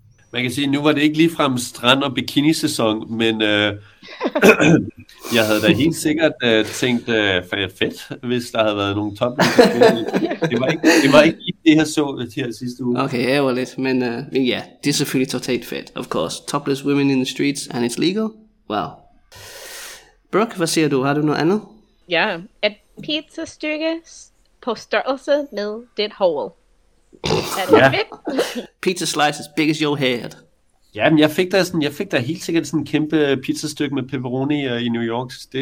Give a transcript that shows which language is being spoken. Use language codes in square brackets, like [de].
[da] Man kan sige, nu var det ikke ligefrem strand- og bikinisæson, men jeg havde da helt sikkert tænkt, for det er fedt, hvis der havde været nogle topløse kvinder. Det var ikke det, jeg så sidste uge. Okay, jeg var lidt, men det er selvfølgelig totalt fedt, [en] of course. Topless women in the streets, and it's legal? [da] Wow. Brooke, hvad siger du? Har du noget andet? Ja, et pizzastykke på størrelse med dit hål. [en] Pizza slices big as your head. [da] Ja, men jeg fik da helt sikkert sådan en kæmpe pizzastykke med pepperoni i New York.